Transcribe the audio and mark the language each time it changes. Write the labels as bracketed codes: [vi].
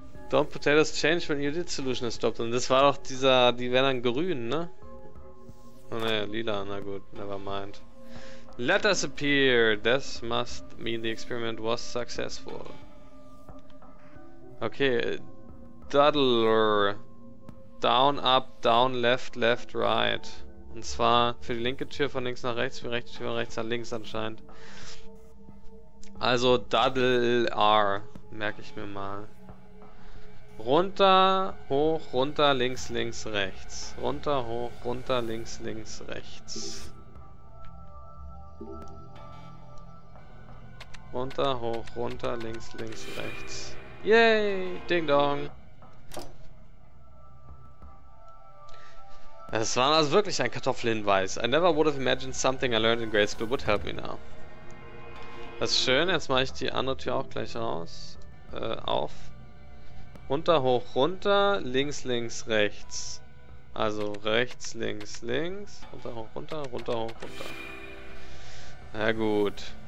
[en] Don't potatoes change when your iodide solution is stopped. [de] Und das war doch dieser, die wären dann grün, ne? Oh ne, lila, na gut, [en] never mind. Letters appear! This must mean the experiment was successful. Okay, Duddler. Down, up, down, left, left, right. [de] Und zwar für die linke Tür von links nach rechts, für die rechte Tür von rechts nach links anscheinend. Also Duddler, merke ich mir mal. Runter, hoch, runter, links, links, rechts. Runter, hoch, runter, links, links, rechts. Runter, hoch, runter, links, links, rechts. Yay! Ding dong! Das war also wirklich ein Kartoffelhinweis. [en] I never would have imagined something I learned in grade school would help me now. [de] Das ist schön, jetzt mache ich die andere Tür auch gleich raus. Auf. Runter, hoch, runter, links, links, rechts. Also rechts, links, links. Runter, hoch, runter, runter, hoch, runter. Na gut.